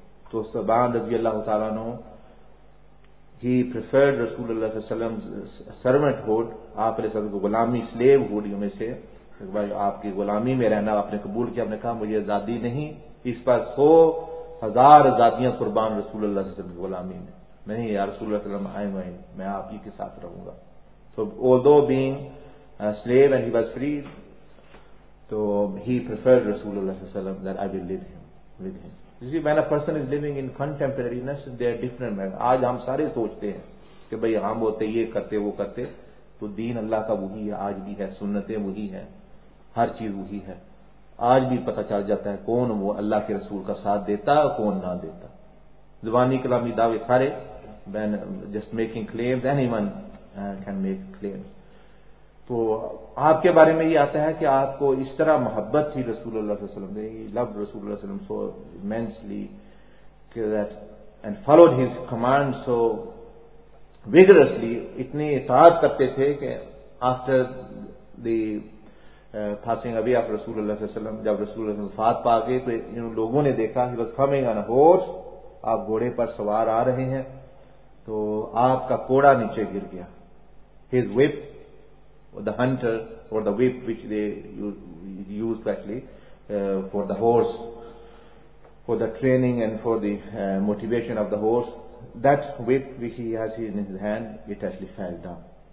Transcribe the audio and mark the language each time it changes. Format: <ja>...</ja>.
<ur>تو صوبان رضی اللہ تعالیٰ عنہ,</ur> <en>he preferred رسول اللہ صلی اللہ علیہ وسلم سرونٹ ہوڈ,</en> <ur>آپ علیہ وسلم کو غلامی سلیو ہوڈ میں سے, آپ کی غلامی میں رہنا آپ نے قبول کیا, آپ نے کہا مجھے آزادی نہیں, اس پر 100,000 آزادیاں قربان رسول اللہ صلی اللہ علیہ وسلم غلامی میں, نہیں یا رسول اللہ صلی اللہ علیہ وسلم, آئیں میں آپ ہی کے ساتھ رہوں گا. تو</ur> <en>Although being slave and he was free, So he preferred Rasulullah صلى الله عليه وسلم that I will live with him. You see, when a person is living in contemporariness, they are different men.</en> <ur>آج ہم سارے سوچتے ہیں کہ بھئی ہم ہوتے یہ کرتے وہ کرتے تو دین اللہ کا وہی ہے, آج بھی ہے, سنتیں وہی ہیں, ہر چیز وہی ہے. آج بھی پتہ چل جاتا ہے کون وہ اللہ کے رسول کا ساتھ دیتا کون نہ دیتا. زبانی کلامی دعوے سارے,</ur> <en>when just making claims, anyone can make claims.</en> <ur>تو آپ کے بارے میں یہ آتا ہے کہ آپ کو اس طرح محبت تھی رسول اللہ صلی اللہ علیہ وسلم نے,</ur> <en>he loved رسول اللہ صلی اللہ علیہ وسلم so immensely that and followed his command so vigorously,</en> <ur>اتنی اطاعت کرتے تھے کہ</ur> <en>after the passing away of</en> <ur>رسول اللہ صلی اللہ علیہ وسلم, جب رسول اللہ صلی اللہ علیہ وسلم وفات پا گئے تو لوگوں نے دیکھا,</ur> <en>he was coming on a horse,</en> <ur>آپ گھوڑے پر سوار آ رہے ہیں, تو آپ کا کوڑا نیچے گر گیا.</ur> <en>His whip, the hunter, or the whip which they used actually for the horse, for the training and for the motivation of the horse, that whip which he has in his hand, it actually fell down.</en>